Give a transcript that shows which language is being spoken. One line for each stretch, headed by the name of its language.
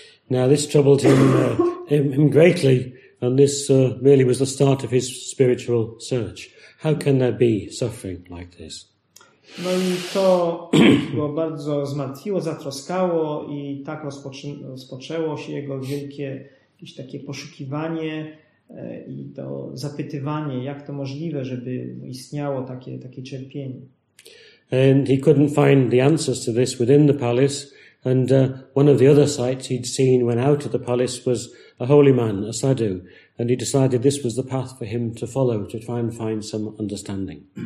English: Now this troubled him, him greatly, and this really was the start of his spiritual search. How can there be suffering like this?
Polish: No i to go bardzo zmartwiło, zatroskało i tak rozpoczęło się jego wielkie jakieś takie poszukiwanie i to zapytywanie, jak to możliwe, żeby istniało takie cierpienie.
English: And he couldn't find the answers to this within the palace, and one of the other sights he'd seen when out of the palace was a holy man, a sadhu, and he decided this was the path for him to follow, to try and find some understanding.